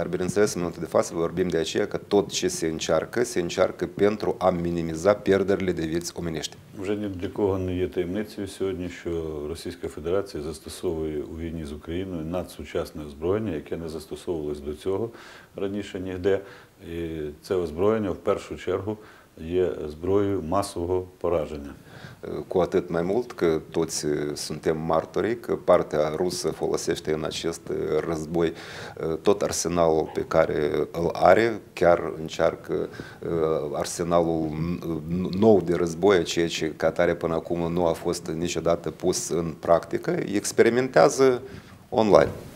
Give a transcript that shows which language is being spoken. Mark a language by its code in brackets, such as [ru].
[ro] Dar, bineînțeles, în momentul de față vorbim de aceea că tot ce se încearcă, se încearcă pentru a minimiza pierderile de vieți omenești. [uk] Вже ні для кого не є таємницею сьогодні, що Російська Федерація застосовує у війні з Україною надсучасне озброєння, яке не застосовувалось до цього раніше ніде. І це озброєння, в першу чергу, є зброєю масового пораження. [ro] Cu atât mai mult că toți suntem martori că partea rusă folosește în acest război tot arsenalul pe care îl are, chiar încearcă arsenalul nou de război, ceea ce Qatarul până acum nu a fost niciodată pus în practică, experimentează online.